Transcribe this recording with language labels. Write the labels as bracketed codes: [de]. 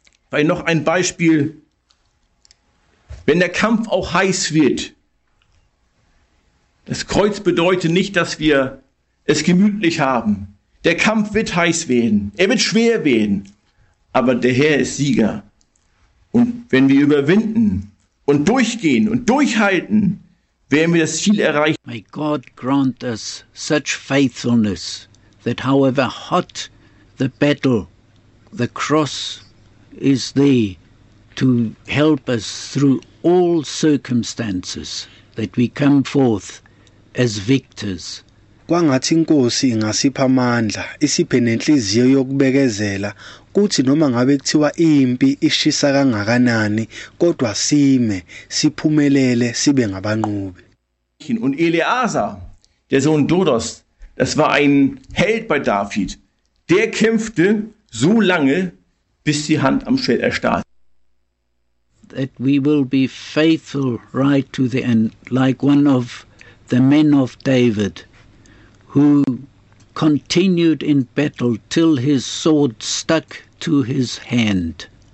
[de] Bei noch ein Beispiel, wenn der Kampf auch heiß wird, das Kreuz bedeutet nicht, dass wir es gemütlich haben. Der Kampf wird heiß werden, er wird schwer werden, aber der Herr ist Sieger. Und wenn wir überwinden und durchgehen und durchhalten, werden wir das Ziel erreichen. [en] May God grant us such faithfulness that however hot the battle, the cross is there to help us through all circumstances, that we come forth as victors. [zu] Kwangathi iNkosi ingasipha amandla, isiphe nenhliziyo yokubekezela, kuthi noma ngabe kuthiwa impi ishisa kangakanani, kodwa sime, siphumelele, sibe ngabanqobi. [de] Und Eleazar, der Sohn Dodos, das war ein Held bei David, der kämpfte so lange, bis die Hand am Schwert erstarrt. [en] That we will be faithful right to the end, like one of the men of David, who continued in battle till his sword stuck to his hand.